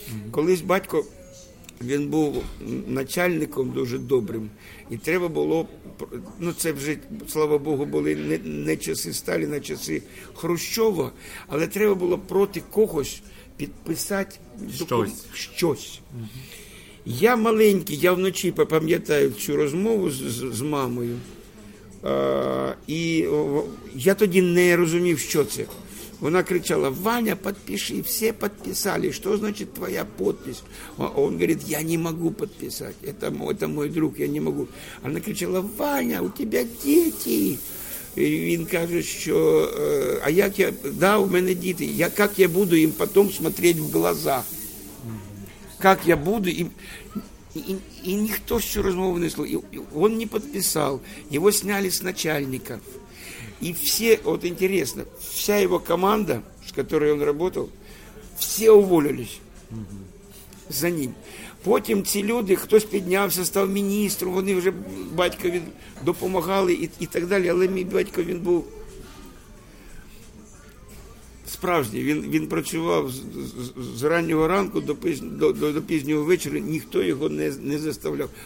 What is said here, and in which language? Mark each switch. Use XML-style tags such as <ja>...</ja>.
<uk>Колись батько, він був начальником дуже добрим, і треба було, ну це вже, слава Богу, були не часи Сталіна, а часи Хрущова, але треба було проти когось підписати щось. Я маленький, я вночі пам'ятаю цю розмову з мамою, і я тоді не розумів, що це. Вона кричала,</uk> <ru>Ваня, подпиши, все подписали, что значит твоя подпись? Он говорит, я не могу подписать, это мой друг, я не могу. Она кричала, Ваня, у тебя дети.</ru> <uk>И він каже, що, а як я, да, у мене діти, я,</uk> <ru>как я буду им потом смотреть в глаза? Как я буду им... И никто всю</ru> <uk>розмову не слухав,</uk> <ru>он не подписал, его сняли с начальника. И все, вот интересно, вся его команда, с которой он работал, все уволились за ним.</ru> <uk>Потім ці люди, хтось піднявся, став міністром, вони вже батькові допомагали і так далі. Але мій батько, він був справжній. Він працював з раннього ранку до пізнього вечора, ніхто його не заставляв.</uk>